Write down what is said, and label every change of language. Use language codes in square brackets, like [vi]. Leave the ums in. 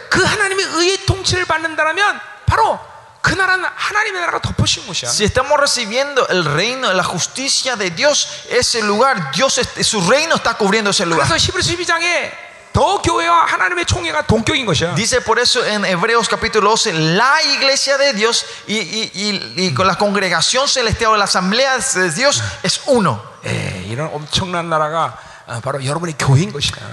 [ko] 그 하나님의 의의 통치를 받는다면 바로 그 나라는 하나님의 나라가 덮으신 곳이야. [es] Si estamos recibiendo el reino, la justicia de Dios, ese lugar, Dios, su reino está cubriendo ese lugar. [ko] 그래서 히브리서 12장에 더 교회와 하나님의 총회가 동격인 것이야. [es] Dice por eso en Hebreos capítulo 12, la iglesia de Dios y, y, y, y con la congregación celestial, la asamblea de Dios es uno. [ko] 에, 이런 엄청난 나라가 바로 여러분의 교회인 것이야.